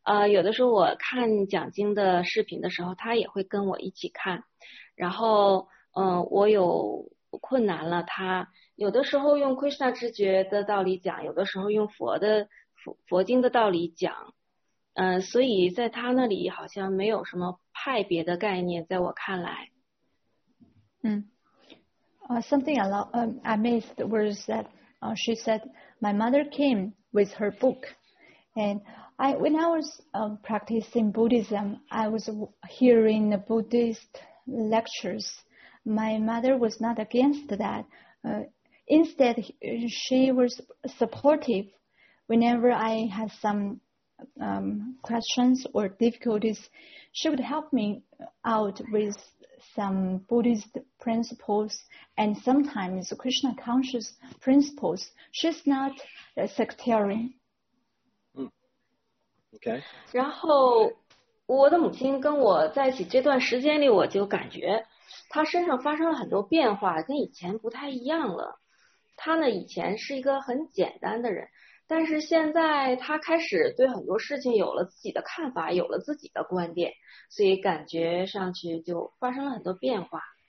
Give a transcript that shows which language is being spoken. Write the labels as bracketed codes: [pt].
[zh] 有的时候我看讲经的视频的时候, 她也会跟我一起看。 然后, 我有困难了, 有的时候用 Krishna 直觉的道理讲，有的时候用佛经的道理讲，所以在他那里好像没有什么派别的概念，在我看来。 [en] Something I missed was that she said my mother came with her book, and when I was practicing Buddhism, I was hearing the Buddhist lectures. My mother was not against that. Instead, she was supportive. Whenever I had some questions or difficulties, she would help me out with some Buddhist principles and sometimes Krishna conscious principles. She's not a sectarian. Okay. [zh] 然后我的母亲跟我在一起这段时间里，我就感觉她身上发生了很多变化，跟以前不太一样了。她呢，以前是一个很简单的人，但是现在她开始对很多事情有了自己的看法，有了自己的观点，所以感觉上去就发生了很多变化。